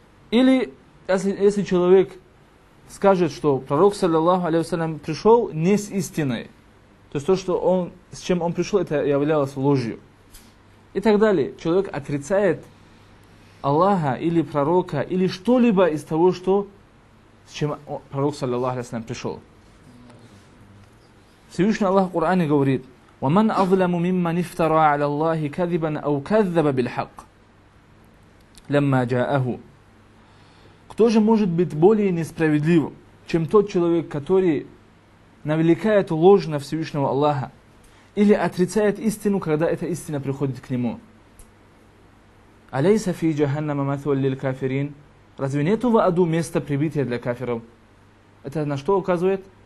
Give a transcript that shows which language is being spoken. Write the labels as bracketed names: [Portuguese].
[Russian] Или если человек скажет, что пророк, саллиллаху алейхи вассалям, пришел не с истиной. То есть то, что он, с чем он пришел, это являлось ложью. И так далее. Человек отрицает Аллаха или пророка, или что-либо из того, что, с чем пророк, саллиллаху алейхи вассалям, пришел. Всевышний Аллах в Коране говорит, [Arabic] وَمَنْ أَظْلَمُ مِمَّنْ اِفْتَرَى عَلَى اللَّهِ كَذِبًا أَوْ كَذَّبَ بِالْحَقِّ لَمَّا جَاءَهُ. [Russian] Кто же может быть более несправедлив, чем тот человек, который навлекает ложь на Всевышнего Аллаха или отрицает истину, когда эта истина приходит к нему? [Arabic] أَلَيْسَ فِي جَهَنَّمَ مَثْوًا لِلْكَافِرِينَ. [Russian] Разве нету в аду места прибития для кафиров? Это на что указывает?